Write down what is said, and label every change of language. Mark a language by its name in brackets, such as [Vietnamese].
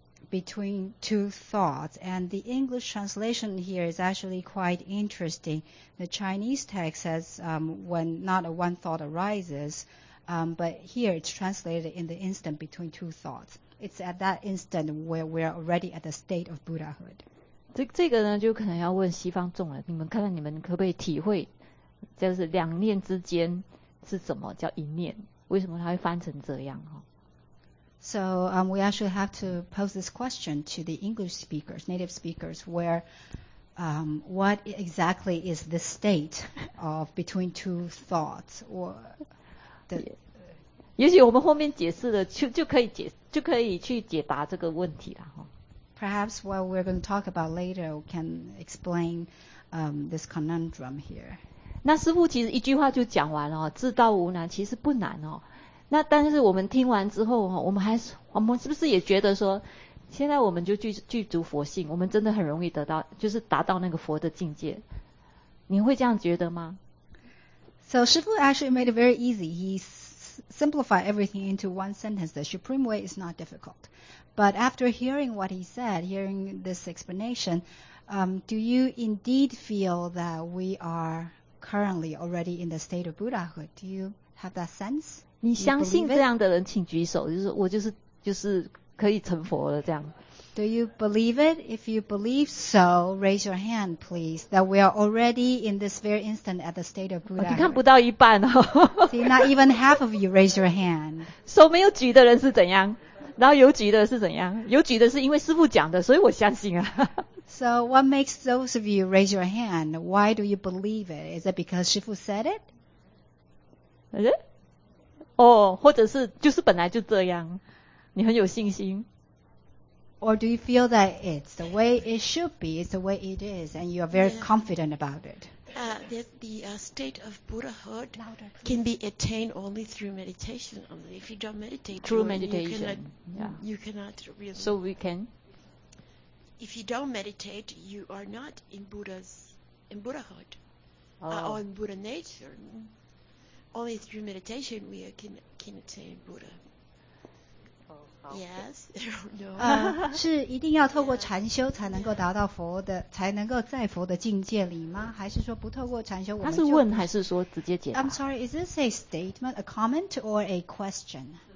[English] Between two thoughts, and the English translation here is actually quite interesting. The Chinese text says when not one thought arises, but here it's translated in the instant between two thoughts. It's at that instant where we're already at the state of Buddhahood. [Chinese] 这个呢，就可能要问西方众了。你们看看你们可不可以体会，就是两念之间是什么叫一念？为什么它会翻成这样？哈。 [English] So we actually have to pose this question to the English speakers, native speakers, where what exactly is the state of between two thoughts? Perhaps what we're going to talk about later can explain this conundrum here. [Chinese] 那师父其实一句话就讲完了，自道无难，其实不难哦。那但是我们听完之后，我们是不是也觉得说，现在我们就具足佛性，我们真的很容易得到，就是达到那个佛的境界。你会这样觉得吗？ [English] So 师父 actually made it very easy. He simplified everything into one sentence. The supreme way is not difficult. But after hearing what he said, hearing this explanation, do you indeed feel that we are currently already in the state of Buddhahood? Do you have that sense? [Chinese] 你相信这样的人请举手，就是我就是可以成佛了这样。 [English] Do you believe it? If you believe so, raise your hand, please, that we are already in this very instant at the state of Buddha. [Chinese] 你看不到一半哦。 [English] See, not even half of you raise your hand. [Chinese] 手没有举的人是怎样？然后有举的是怎样？有举的是因为师父讲的，所以我相信啊。 [English] So what makes those of you raise your hand? Why do you believe it? Is it because 师父 said it? [Chinese] 或者是就是本来就这样，你很有信心。 [English] Or do you feel that it's the way it should be, it's the way it is, and you are very confident about it? State of Buddhahood can be attained only through meditation only. If you don't meditate, you cannot really. So we can? If you don't meditate, you are not in Buddhahood, or in Buddha nature. Only through meditation we can attain Buddha. Yes, no. [Chinese] 是一定要透过禅修才能够达到佛的，才能够在佛的境界里吗？还是说不透过禅修我们就？他是问还是说直接解答 [English] ？I'm sorry, is this a statement, a comment, or a question?